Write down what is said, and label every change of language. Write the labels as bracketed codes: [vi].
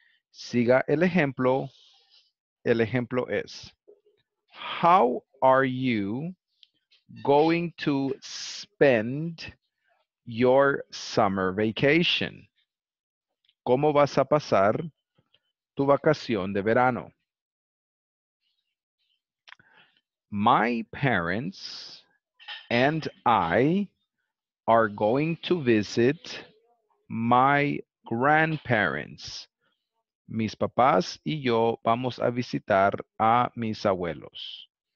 [es] Siga el ejemplo. El ejemplo es: [en] how are you going to spend your summer vacation? [es] ¿Cómo vas a pasar tu vacación de verano? [en] My parents and I are going to visit my grandparents. [es] Mis papás y yo vamos a visitar a mis abuelos.